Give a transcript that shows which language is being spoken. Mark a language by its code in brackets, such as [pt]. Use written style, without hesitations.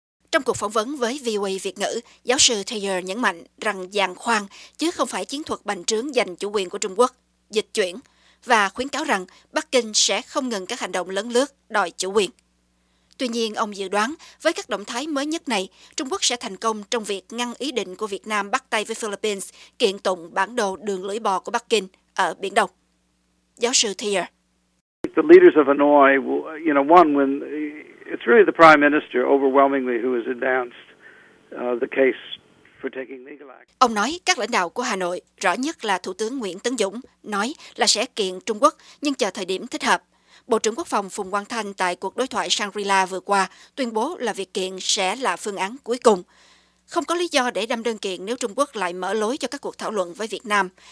[vi] Trong cuộc phỏng vấn với VOA Việt ngữ, giáo sư Thayer nhấn mạnh rằng giàn khoan chứ không phải chiến thuật bành trướng giành chủ quyền của Trung Quốc, dịch chuyển, và khuyến cáo rằng Bắc Kinh sẽ không ngừng các hành động lấn lướt đòi chủ quyền. Tuy nhiên, ông dự đoán, với các động thái mới nhất này, Trung Quốc sẽ thành công trong việc ngăn ý định của Việt Nam bắt tay với Philippines kiện tụng bản đồ đường lưỡi bò của Bắc Kinh ở Biển Đông. Giáo sư Thayer. [en] The leaders of Hanoi, you know, one when it's really the prime minister overwhelmingly who has advanced the case for taking legal action. [vi] Ông nói các lãnh đạo của Hà Nội, rõ nhất là Thủ tướng Nguyễn Tấn Dũng, nói là sẽ kiện Trung Quốc nhưng chờ thời điểm thích hợp. Bộ trưởng Quốc phòng Phùng Quang Thanh tại cuộc đối thoại Shangri-La vừa qua tuyên bố là việc kiện sẽ là phương án cuối cùng. Không có lý do để đâm đơn kiện nếu Trung Quốc lại mở lối cho các cuộc thảo luận với Việt Nam.